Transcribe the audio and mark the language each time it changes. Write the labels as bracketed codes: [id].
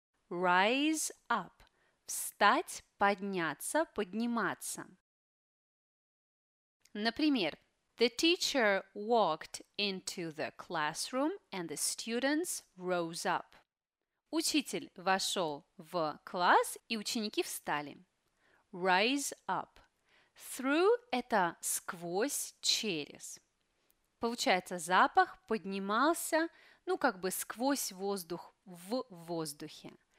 [ru] Rise up – встать, подняться, подниматься. Например, [en] the teacher walked into the classroom and the students rose up. [ru] Учитель вошел в класс, и ученики встали. [en] Rise up. [ru] Through – это сквозь, через. Получается, запах поднимался, ну, как бы сквозь воздух, в воздухе.